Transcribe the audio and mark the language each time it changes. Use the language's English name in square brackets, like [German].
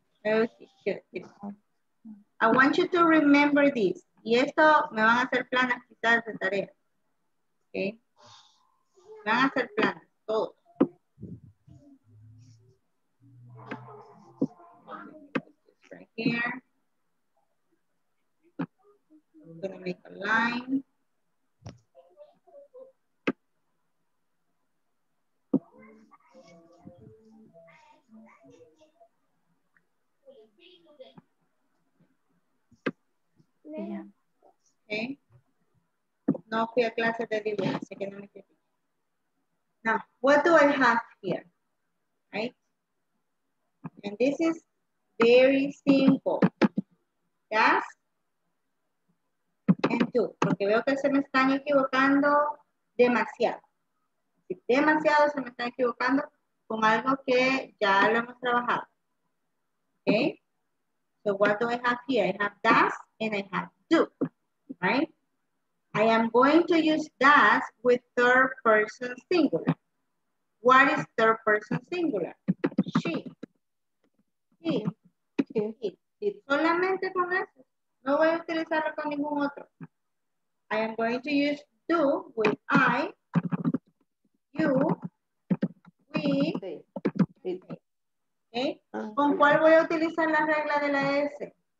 [English] Okay, good. I want you to remember this. [Spanish] Y esto me van a hacer planas quizás de tarea. Okay. Me van a hacer planas, todos. [English] Right here. I'm gonna make a line. Okay. [Spanish] No fui a clase de dibujo, así que no me quedé. [English] Now, what do I have here? Right? And this is very simple. Does and do. [Spanish] Porque veo que se me están equivocando demasiado. Demasiado se me están equivocando con algo que ya lo hemos trabajado. [English] Okay? So what do I have here? I have does and I have do, right? I am going to use does with third person singular. What is third person singular? She. He. It. [Spanish] Solamente con eso. No voy a utilizarlo con ningún otro. [English] I am going to use do with I, you, we, okay. [Spanish] ¿Con cuál voy a utilizar la regla de la S?